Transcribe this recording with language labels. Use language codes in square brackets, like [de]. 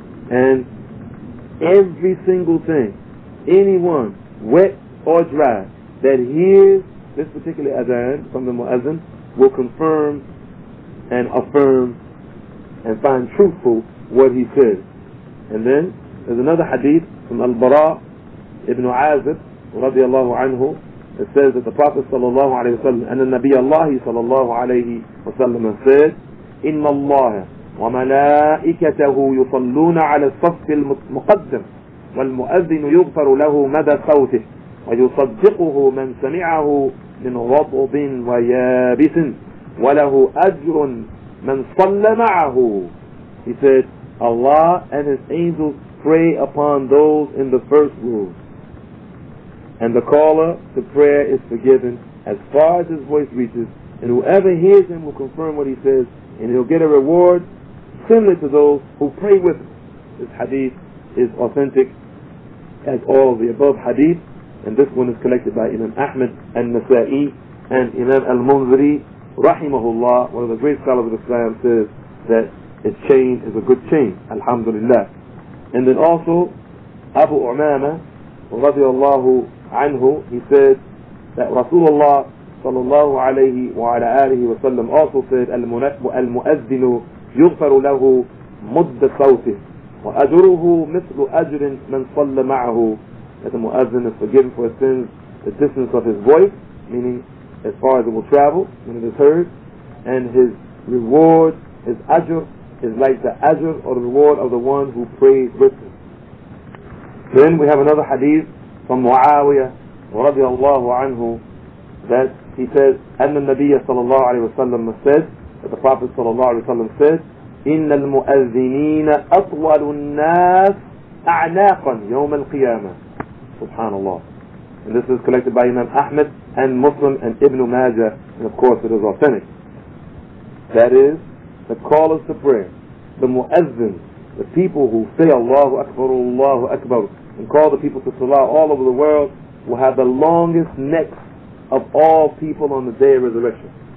[en] And every single thing, anyone, wet or dry, that hears this particular adhan from the muazzin will confirm and affirm and find truthful what he says. And then there's another hadith from Al-Bara ibn Azib [ar] رضي الله عنه. [en] It says that the Prophet [ar] صلى الله عليه وسلم [en] and the Nabi Allah [ar] صلى الله عليه وسلم [en] said, [ar] إن الله وملائكته يصلون على الصف المقدم والمؤذن يغفر له مدى صوته ويصدقه من سمعه من غضب ويابس وله أجر من صلى معه. [en] He said, Allah and His angels pray upon those in the first room, and the caller, the prayer is forgiven as far as his voice reaches, and whoever hears him will confirm what he says, and he'll get a reward similar to those who pray with him. This hadith is authentic as all of the above hadith, and this one is collected by Imam Ahmad al-Nasa'i and Imam al-Munziri rahimahullah, one of the great scholars of Islam, says that a chain is a good chain, alhamdulillah. And then also Abu Umama radiallahu عنه, he said that Rasulullah صلى الله عليه وعلى آله وسلم also said, [ar] المؤذن يغفر له مد صوته وأجره مثل أجر من صلى معه. [en] That the muazzin is forgiven for his sins the distance of his voice, meaning as far as it will travel when it is heard, and his reward, his ajr, is like the ajr or the reward of the one who prays with him. Then we have another hadith from Muawiyah [ar] رضي الله عنه [en] that he says [ar] أن النبي صلى الله عليه وسلم [en] said that the Prophet [ar] صلى الله عليه وسلم [en] said [ar] إن المؤذنين أطول الناس أعناقا يوم القيامة. [en] Subhanallah. And this is collected by Imam Ahmed and Muslim and Ibn Majah, and of course it is authentic. That is, the callers to prayer, the muazzin, the people who say Allahu Akbar, Allahu Akbar, and call the people to Salah all over the world, will have the longest necks of all people on the day of resurrection.